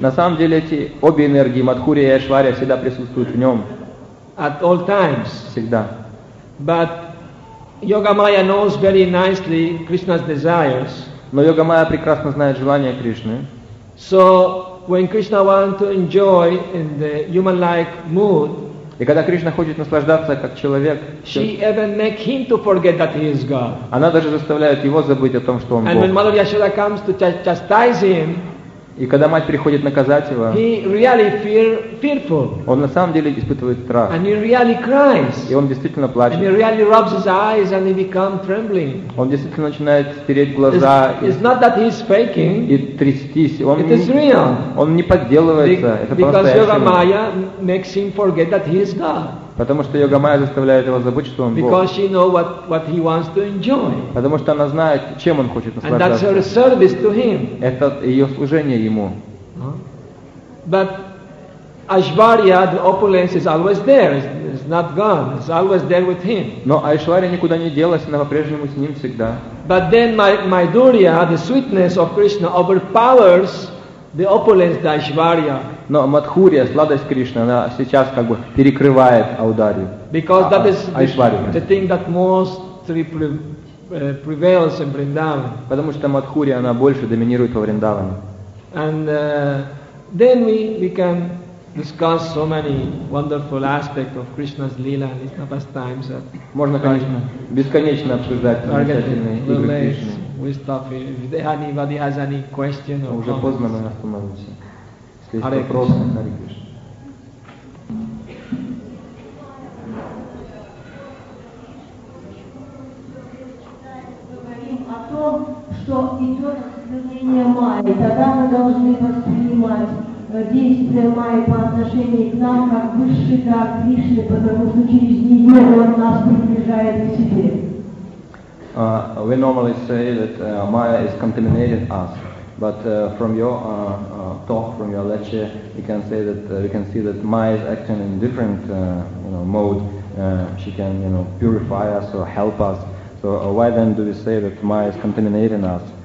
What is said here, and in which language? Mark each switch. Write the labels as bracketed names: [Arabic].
[Russian] На самом деле эти обе энергии, Мадхурия и Айшвария, всегда присутствуют в нем. [English] At all times. [Russian] Всегда. [English] But Yogamaya knows very nicely Krishna's desires. [Russian] Но Йогамайя прекрасно знает желания Кришны. [English] So when Krishna wants to enjoy in the human-like mood, [Russian] и когда Кришна хочет наслаждаться как человек, [English] she even make him to forget that he is God. [Russian] Она даже заставляет его забыть о том, что он [English] and [Russian] Бог. [English] And when Mother Yashoda comes to chastise him, [Russian] и когда мать приходит наказать его, [English] he really fearful. [Russian] Он на самом деле испытывает страх. [English] And he really cries. [Russian] И он действительно плачет. [English] And he really rubs his eyes and he become trembling. [Russian] Он действительно начинает стереть глаза. [English] It's not that he's faking. [Russian] И трястись. [English] It is real. [Russian] Он не подделывается. Это по-настоящему. [English] Because Yogamaya makes him forget that he is God. [Russian] Потому что Йогамайя заставляет его забыть, что он Бог. [English] Because she know what he wants to enjoy. [Russian] Потому что она знает, чем он хочет наслаждаться. [English] And that's her service to him. [Russian] Это ее служение ему. [English] But Aishwarya, the opulence is always there. It's not gone. It's always there with him. [Russian] Но Aishwarya никуда не делась, она по-прежнему с ним всегда. [English] But then Madhurya, the sweetness of Krishna, overpowers the opulence of Aishwarya. [Russian] Но Мадхурия, сладость Кришны, она сейчас как бы перекрывает Аударию. [English] Because that is the thing that mostly prevails in Vrindavan. [Russian] Потому что Мадхурия, она больше доминирует во Вриндаване. [English] And then we can discuss so many wonderful aspects of Krishna's lila and Krishna pastimes. [Russian] Можно, конечно, бесконечно обсуждать замечательные игры Кришны. [English] We stop here. If anybody has any question or [Russian] уже [English] comments. [Russian] Поздно, мы остановимся. Если есть вопросы, Харе Кришна. Говорим о том, что идет осквернение Майи, тогда мы должны воспринимать действие Майи по отношению к нам как высший дар Кришны, потому что через нее он нас приближает к себе. [English] We normally say that Maya is contaminating us, but from your talk, from your lecture, we can see that Maya is acting in different mode, she can, you know, purify us or help us. So why then do we say that Maya is contaminating us?